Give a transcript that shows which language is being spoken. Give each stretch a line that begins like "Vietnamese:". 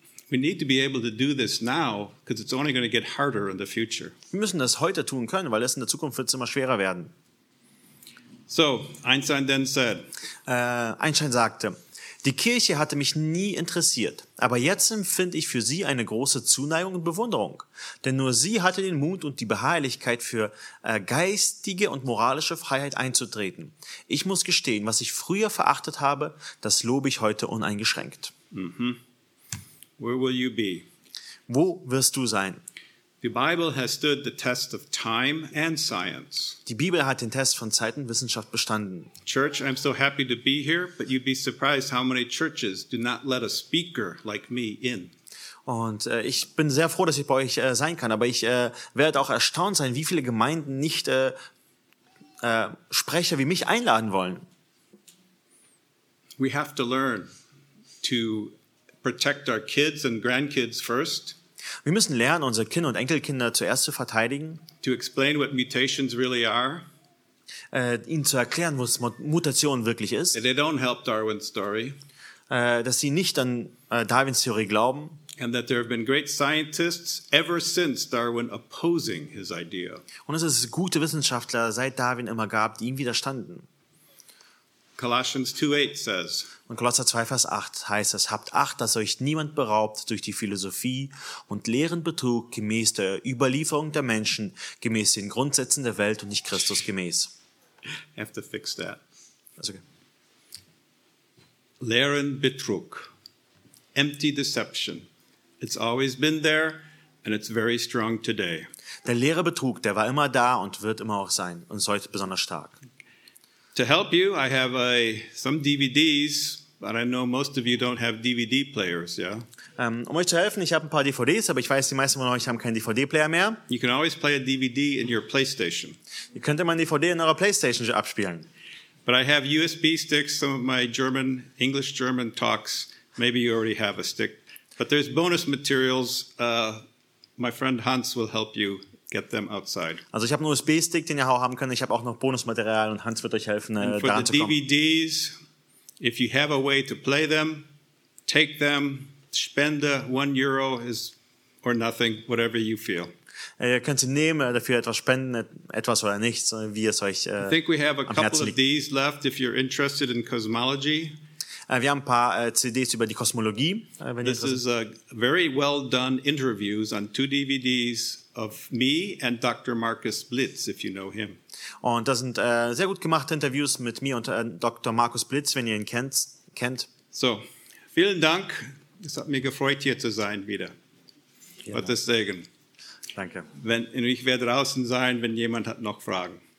English: We need to be able to do this now, because it's only going to get harder in the future.
German: Wir müssen das heute tun können, weil es in der Zukunft wird immer schwerer werden.
English: So, Einstein then said.
German: Einstein sagte: Die Kirche hatte mich nie interessiert, aber jetzt empfinde ich für sie eine große Zuneigung und Bewunderung, denn nur sie hatte den Mut und die Beharrlichkeit, für geistige und moralische Freiheit einzutreten. Ich muss gestehen, was ich früher verachtet habe, das lobe ich heute uneingeschränkt.
English: Mm-hmm. Where will you be?
German: Wo wirst du sein?
English: The Bible has stood the test of time and science.
German: Die Bibel hat den Test von Zeit und Wissenschaft bestanden.
English: Church, I'm so happy to be here, but you'd be surprised how many churches do not let a speaker like me in.
German: Und ich bin sehr froh, dass ich bei euch sein kann, aber ich werde auch erstaunt sein, wie viele Gemeinden nicht Sprecher wie mich einladen wollen.
English: We have to learn to protect our kids and grandkids first.
German: Wir müssen lernen, unsere Kinder und Enkelkinder zuerst zu verteidigen.
English: To explain what mutations really are.
German: Ihnen zu erklären, was Mutation wirklich ist.
English: They don't help Darwin's story.
German: Dass sie nicht an Darwins Theorie glauben.
English: And that there have been great scientists ever since Darwin opposing his idea.
German: Und es ist gute Wissenschaftler seit Darwin immer gab, die ihm widerstanden.
English: Colossians 2:8 says.
German: Und Kolosser 2, Vers 8 heißt es, habt Acht, dass euch niemand beraubt durch die Philosophie und leeren Betrug gemäß der Überlieferung der Menschen, gemäß den Grundsätzen der Welt und nicht Christus gemäß.
English: I have to fix that. That's okay.
German: Leeren Betrug.
English: Empty deception. It's always been there and it's very strong today.
German: Der leere Betrug, der war immer da und wird immer auch sein und ist heute besonders stark.
English: To help you, I have some DVDs, but I know most of you don't have DVD players, yeah?
German: Um euch zu helfen, ich habe ein paar DVDs, aber ich weiß, die meisten von euch haben keinen DVD-Player mehr.
English: You can always play a DVD in your PlayStation.
German: Ihr könnt immer ein DVD in eurer PlayStation abspielen.
English: But I have USB sticks, some of my English-German talks. Maybe you already have a stick. But there's bonus materials. My friend Hans will help you. Get them outside.
German: Also ich habe einen USB-Stick, den ihr auch haben könnt. Ich habe auch noch Bonusmaterial und Hans wird euch helfen, da anzukommen.
English: And for the DVDs, if you have a way to play them, take them, spende €1 is or nothing, whatever you feel.
German: Ihr könnt sie nehmen, dafür etwas spenden, etwas oder nichts, wie es euch am Herzen liegt.
English: I think we have a couple of these left if you're interested in cosmology.
German: Wir haben ein paar CDs über die Kosmologie.
English: This is a very well done interviews on 2 DVDs of me and Dr. Markus Blitz, if you know him.
German: Und das sind sehr gut gemachte Interviews mit mir und Dr. Markus Blitz, wenn ihr ihn kennt. So, vielen Dank. Es hat mich gefreut, hier zu sein wieder. Gottes Segen. Danke. Und ich werde draußen sein, wenn jemand hat noch Fragen.